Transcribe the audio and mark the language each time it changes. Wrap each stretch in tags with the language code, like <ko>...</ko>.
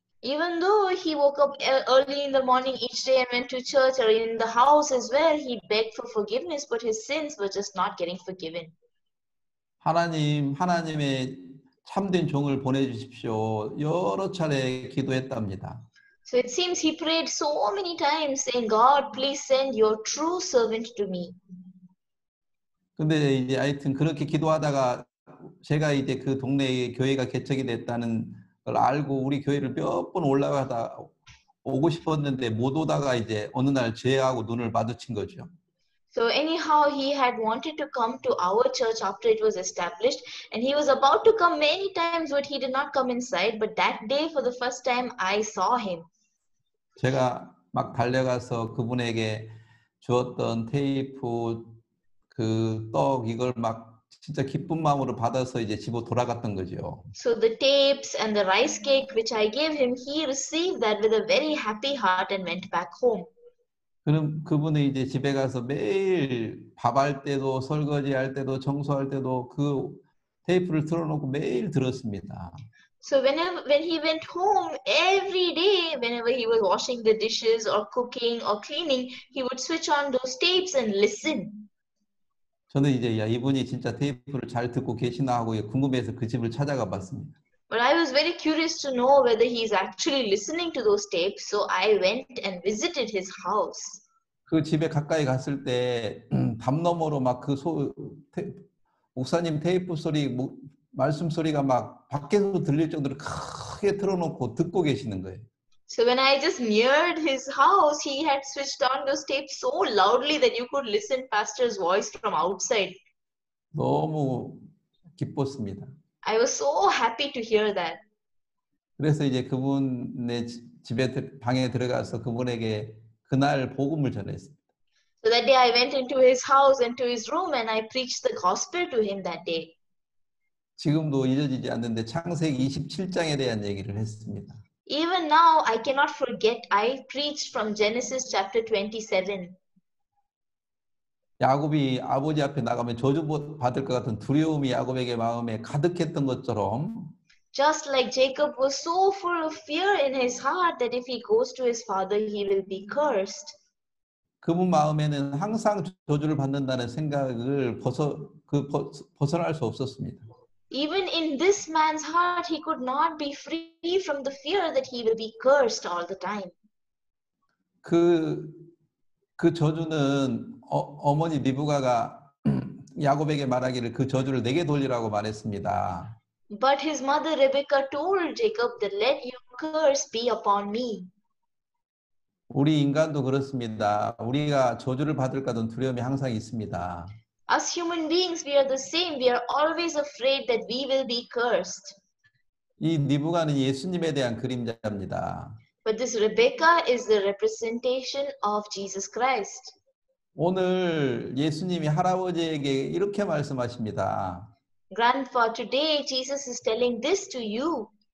<en>Even though he woke up early in the morning each day and went to church or in the house as well, he begged for forgiveness, but his sins were just not getting forgiven.</en> <ko>하나님의 참된 종을 보내주십시오. 여러 차례 기도했답니다.</ko> <en>So it seems he prayed so many times saying, God, please send your true servant to me.</en> <ko>근데 이제 하여튼 그렇게 기도하다가 제가 이제 그 동네에 교회가 개척이 됐다는 걸 알고 우리 교회를 몇번 올라가다 오고 싶었는데 못 오다가 이제 어느 날 죄하고 눈을 마주친 거죠.</ko> <en>So anyhow, he had wanted to come to our church after it was established, and he was about to come many times, but he did not come inside. But that day, for the first time, I saw him.</en> <ko>제가 막 달려가서 그분에게 주었던 테이프 그떡 이걸 막 진짜 기쁜 마음으로 받아서 이제 집으로 돌아갔던 거죠.</ko> <en>So the tapes and the rice cake which I gave him, he received that with a very happy heart and went back home.</en> <ko>그럼 그분은 이제 집에 가서 매일 밥할 때도 설거지 할 때도 청소할 때도 그 테이프를 틀어놓고 매일 들었습니다.</ko> <en>So when he went home every day, whenever he was washing the dishes or cooking or cleaning, he would switch on those tapes and listen.</en> <ko>저는 이제 야, 이분이 진짜 테이프를 잘 듣고 계시나 하고 궁금해서 그 집을 찾아가 봤습니다.</ko> <en>But I was very curious to know whether he is actually listening to those tapes, so I went and visited his house.</en> <ko>그 집에 가까이 갔을 때 담 너머로 막 그 소 목사님 테이프 소리 목, 말씀 소리가 막 밖에서도 들릴 정도로 크게 틀어놓고 듣고 계시는 거예요.</ko> <en>So when I just neared his house, he had switched on those tapes so loudly that you could listen pastor's voice from outside.</en> <ko>너무 기뻤습니다.</ko> <en>I was so happy to hear that.</en> <ko>그래서 이제 그분의 집에 방에 들어가서 그분에게 그날 복음을 전했습니다.</ko> <en>So that day I went into his house and to his room and I preached the gospel to him that day.</en> <ko>지금도 잊어지지 않는데 창세기 27장에 대한 얘기를 했습니다.</ko> <en>Even now I cannot forget I preached from Genesis chapter 27.</en> <ko>야곱이 아버지 앞에 나가면 저주받을 것 같은 두려움이 야곱에게 마음에 가득했던 것처럼</ko> <en>Just like Jacob was so full of fear in his heart that if he goes to his father he will be cursed.</en> <ko>그분 마음에는 항상 저주를 받는다는 생각을 벗어날 수 없었습니다.</ko> <en>Even in this man's heart he could not be free from the fear that he will be cursed all the time.</en> <ko>그 저주는 어머니 리브가가 야곱에게 말하기를 그 저주를 내게 돌리라고 말했습니다.</ko> <en>But his mother Rebecca told Jacob that let your curse be upon me.</en> <ko>우리 인간도 그렇습니다. 우리가 저주를 받을까든 두려움이 항상 있습니다.</ko> <en>As human beings, we are the same. We are always afraid that we will be cursed.</en> <ko>이 리브가는 예수님에 대한 그림자입니다.</ko> <en>But this Rebecca is the representation of Jesus Christ.</en> <ko>오늘 예수님이 할아버지에게 이렇게 말씀하십니다.</ko> <en>Grandpa, today Jesus is telling this to you.</en>